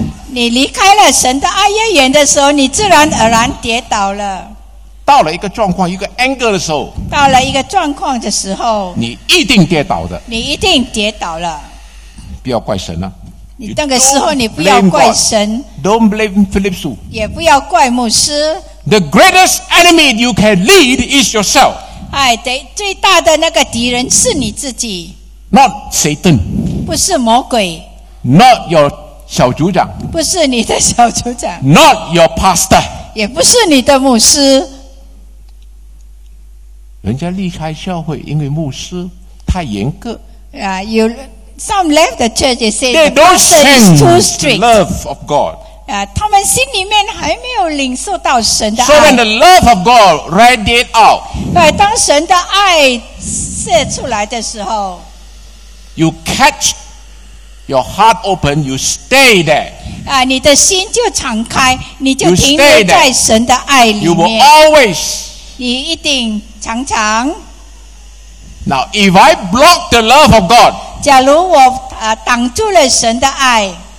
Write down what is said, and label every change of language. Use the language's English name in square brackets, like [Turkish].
[Chinese] 你离开了神的爱越远的时候你自然而然跌倒了到了一个状况一个 anger 的时候到了一个状况的时候你一定跌倒的你一定跌倒了不要怪神了你那个时候你不要怪神 [English] Don't blame Philip Su [Chinese] 也不要怪牧师 [English] The greatest enemy you can lead is yourself [Chinese] 哎，最大的那个敌人是你自己 [English] Not Satan [Chinese] 不是魔鬼 [English] Not your 小组长 [Chinese] 不是你的小组长 [English] Not your pastor [Chinese] 也不是你的牧师人家离开教会因为牧师太严格 [English] You Some left the church and said the pastor is too strict. The love of God. [Chinese] 他们心里面还没有领受到神的爱。 [English] So when the love of God radiated out. [Chinese] 当神的爱射出来的时候 [English] You catch your heart open, you stay there. [Chinese] 你的心就敞开，你就停留在神的爱里面。 [English] You will always. [Chinese] 你一定常常。 [English] Now, if I block the love of God, [Chinese] 假如我挡住了神的爱，